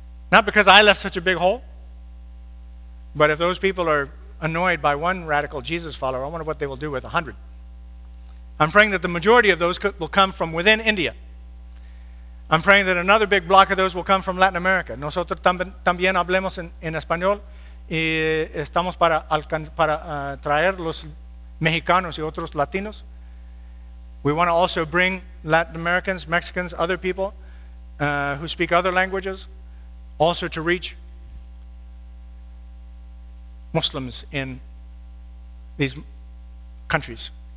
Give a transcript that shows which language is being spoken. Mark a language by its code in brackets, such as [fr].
[en] Not because I left such a big hole, but if those people are annoyed by one radical Jesus follower, I wonder what they will do with 100. I'm praying that the majority of those will come from within India. I'm praying that another big block of those will come from Latin America. [es] Nosotros también hablemos en español y estamos para traer los mexicanos y otros latinos. [en] We want to also bring Latin Americans, Mexicans, other people who speak other languages, also to reach Muslims in these countries.